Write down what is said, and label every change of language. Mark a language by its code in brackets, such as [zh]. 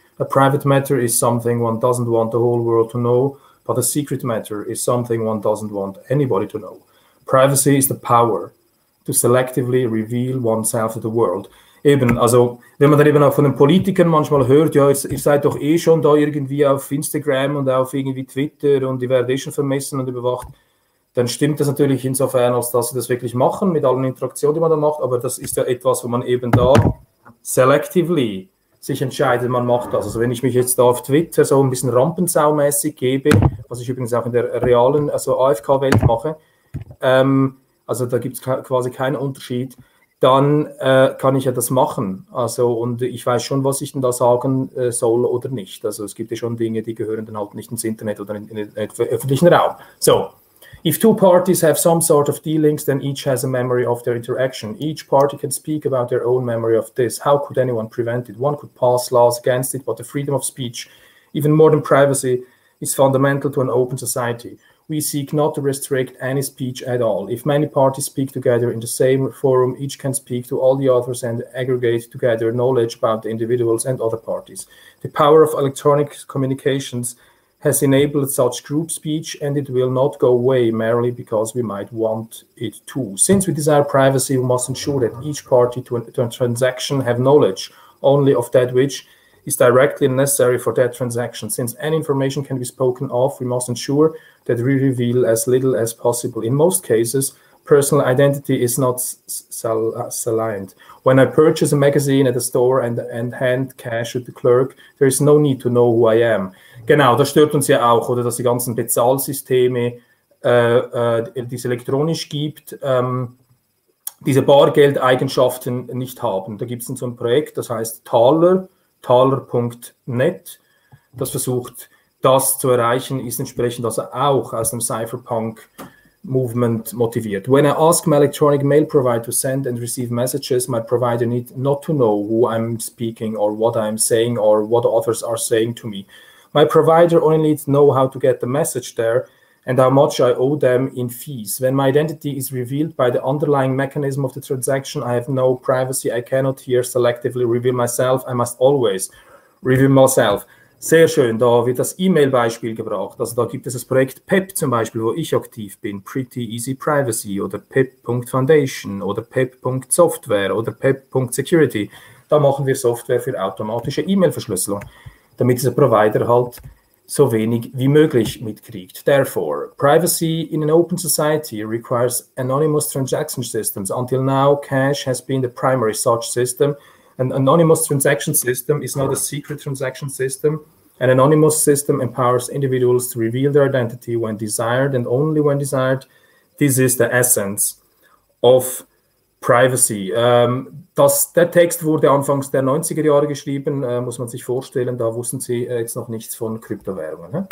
[en] A private matter is something one doesn't want the whole world to know, but a secret matter is something one doesn't want anybody to know. Privacy is the power to selectively reveal oneself to the world. [de] Eben, also wenn man dann eben auch von den Politikern manchmal hört, ja, ihr seid doch eh schon da irgendwie auf Instagram und auf irgendwie Twitter und ihr werdet eh schon vermessen und überwacht, dann stimmt das natürlich insofern, als dass sie das wirklich machen mit allen Interaktionen, die man da macht, aber das ist ja etwas, wo man eben da selectively sich entscheidet, man macht das. Also wenn ich mich jetzt da auf Twitter so ein bisschen Rampensau-mäßig gebe, was ich übrigens auch in der realen, also AFK-Welt mache, also da gibt es quasi keinen Unterschied. Dann kann ich ja das machen. Also, und ich weiß schon, was ich denn da sagen soll oder nicht. Also, es gibt ja schon Dinge, die gehören dann halt nicht ins Internet oder in den öffentlichen Raum. So. [en] If two parties have some sort of dealings, then each has a memory of their interaction. Each party can speak about their own memory of this. How could anyone prevent it? One could pass laws against it, but the freedom of speech, even more than privacy, is fundamental to an open society. We seek not to restrict any speech at all. If many parties speak together in the same forum, each can speak to all the others and aggregate together knowledge about the individuals and other parties. The power of electronic communications has enabled such group speech, and it will not go away merely because we might want it to. Since we desire privacy, we must ensure that each party to a transaction have knowledge only of that which is directly necessary for that transaction. Since any information can be spoken of, we must ensure that we reveal as little as possible. In most cases, personal identity is not salient. When I purchase a magazine at a store and hand cash to the clerk, there is no need to know who I am. [de] Genau, das stört uns ja auch, oder dass die ganzen Bezahlsysteme, die es elektronisch gibt, diese Bargeldeigenschaften nicht haben. Da gibt es so ein Projekt, das heißt Thaler, Thaler.net, das versucht, das zu erreichen, ist entsprechend also auch aus dem Cypherpunk Movement motiviert. [en] When I ask my electronic mail provider to send and receive messages, my provider need not to know who I'm speaking or what I'm saying or what others are saying to me. My provider only needs to know how to get the message there and how much I owe them in fees. When my identity is revealed by the underlying mechanism of the transaction, I have no privacy. I cannot here selectively reveal myself. I must always reveal myself. [de] Sehr schön, da wird das E-Mail-Beispiel gebracht. Also da gibt es das Projekt PEP zum Beispiel, wo ich aktiv bin. Pretty Easy Privacy oder PEP.Foundation oder PEP.Software oder PEP.Security. Da machen wir Software für automatische E-Mail-Verschlüsselung, damit dieser Provider halt so wenig wie möglich mitkriegt. [en] Therefore, privacy in an open society requires anonymous transaction systems. Until now, cash has been the primary such system. An anonymous transaction system is not a secret transaction system. An anonymous system empowers individuals to reveal their identity when desired and only when desired. This is the essence of privacy. [de] Der Text wurde anfangs der 90er Jahre geschrieben, muss man sich vorstellen, da wussten sie jetzt noch nichts von Kryptowährungen.